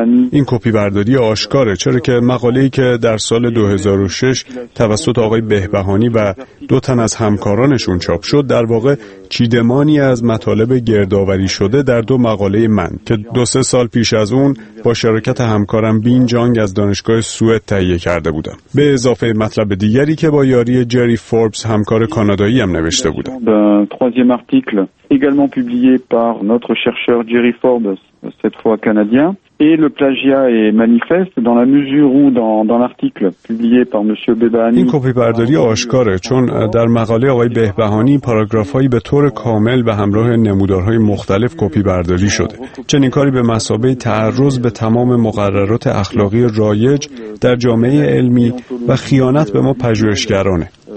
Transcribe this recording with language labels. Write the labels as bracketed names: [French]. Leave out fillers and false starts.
[Persian] این کپی برداری آشکاره، چرا که مقاله‌ای که در سال 2006 توسط آقای بهبهانی و دو تن از همکارانشون چاپ شد در واقع چیدمانی از مطالب گردآوری شده در دو مقاله من که دو سه سال پیش از اون با شراکت همکارم بین جانگ از دانشگاه سوئد تهیه کرده بودم، به اضافه مطلب دیگری که با یاری جری فوربس همکار کانادایی هم نوشته بودم. [French] D'un troisième article également publié par notre chercheur Jerry Forbes, cette fois canadien. Et le plagiat est manifeste dans la mesure où dans l'article publié par monsieur Bebahani. [Persian] این کپی برداری آشکاره، چون در مقاله آقای بهبهانی پاراگراف‌هایی به طور کامل به همراه نمودارهای مختلف کپی برداری شده. چنین کاری به مثابه تعرض به تمام مقررات اخلاقی رایج در جامعه علمی و خیانت به ما پژوهشگرانه.